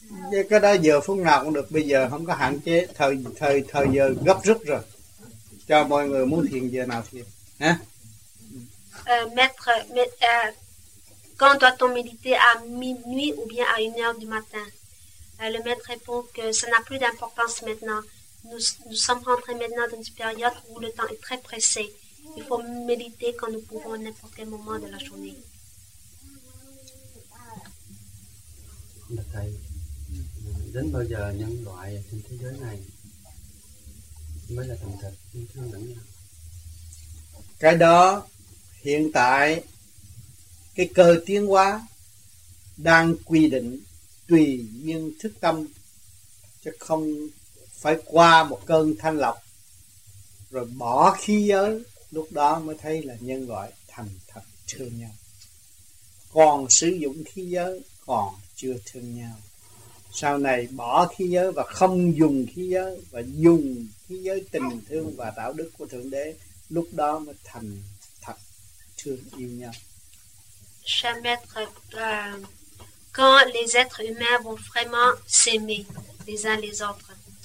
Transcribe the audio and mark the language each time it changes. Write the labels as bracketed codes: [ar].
[vi] Với cái đó giờ phút nào cũng được, bây giờ không có hạn chế thời giờ gấp rút rồi, cho mọi người muốn thiền giờ nào thiền hả. [fr] Maître, mais, quand doit-on méditer, à minuit ou bien à 1h du matin? Le maître répond que ça n'a plus d'importance maintenant. Nous sommes rentrés maintenant dans une période où le temps est très pressé. Il faut méditer quand nous pouvons, à n'importe quel moment de la journée. [vi] Bạch thầy, đến bao giờ nhân loại trên thế giới này mới là thành thật yêu thương lẫn nhau? Cái đó hiện tại cái cơ tiến hóa đang quy định tùy duyên thức tâm, chứ không phải qua một cơn thanh lọc rồi bỏ khí giới, lúc đó mới thấy là nhân loại thành thật thương nhau. Còn sử dụng khí giới còn chưa thương nhau. Sau này bỏ khí giới và không dùng khí giới, và dùng khí giới tình thương và đạo đức của Thượng Đế, lúc đó mới thành thật thương yêu nhau. [fr] Cher maître, quand les êtres humains vont vraiment s'aimer les uns les autres?